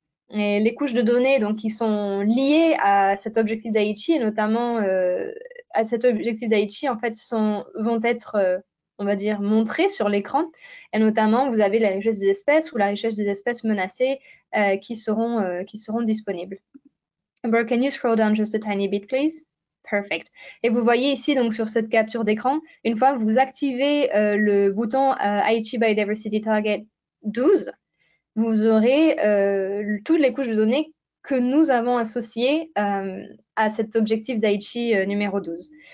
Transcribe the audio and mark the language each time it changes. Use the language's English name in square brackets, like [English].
[French] Et les couches de données donc, qui sont liées à cet objectif d'Aichi, et notamment à cet objectif d'Aichi, en fait, vont être, on va dire, montrées sur l'écran. Et notamment, vous avez la richesse des espèces ou la richesse des espèces menacées qui seront disponibles. [English] Brooke, can you scroll down just a tiny bit, please? Perfect. [French] Et vous voyez ici, donc, sur cette capture d'écran, une fois que vous activez le bouton Aichi Biodiversity Target 12, vous aurez toutes les couches de données que nous avons associées à cet objectif d'Aichi numéro 12.